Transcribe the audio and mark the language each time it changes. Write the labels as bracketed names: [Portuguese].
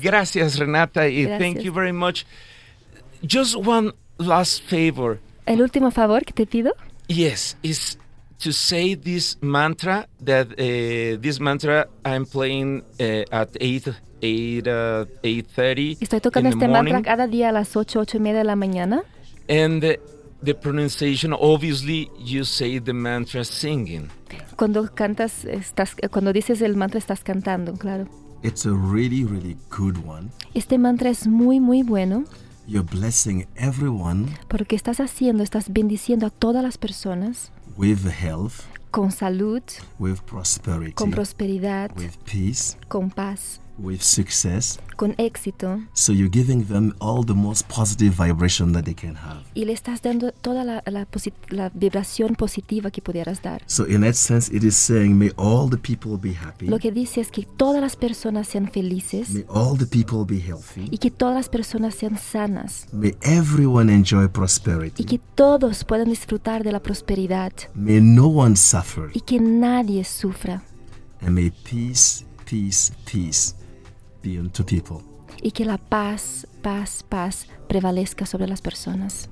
[Spanish] Gracias, Renata. Y gracias. [English] Thank you very much. Just one last favor. [Spanish] ¿El último favor que te pido? [English] Yes, is to say this mantra that this mantra I'm playing at 8:30. [Spanish] Estoy tocando este mantra cada día a las 8:30 de la mañana. [English] And the pronunciation, obviously, you say the mantra singing. [Spanish] Cuando cantas, cuando dices el mantra, estás cantando, claro. [English] It's a really, really good one. [Spanish] Este mantra es muy, muy bueno. [English] You're blessing everyone. [Spanish] Porque estás haciendo, estás bendiciendo a todas las personas. [English] With health. [Spanish] Con salud. [English] With prosperity. [Spanish] Con prosperidad. [English] With peace. [Spanish] Con paz. [English] With success. [Spanish] Con éxito. [English] So you're giving them all the most positive vibration that they can have. [Spanish] Y le estás dando toda la vibración positiva que pudieras dar. [English] So in that sense, it is saying, may all the people be happy. [Spanish] Lo que dice es que todas las personas sean felices. [English] May all the people be healthy. [Spanish] Y que todas las personas sean sanas. [English] May everyone enjoy prosperity. [Spanish] Y que todos puedan disfrutar de la prosperidad. [English] May no one suffer. [Spanish] Y que nadie sufra. [English] And may peace, peace, peace be unto people. [Spanish] Y que la paz, paz, paz prevalezca sobre las personas.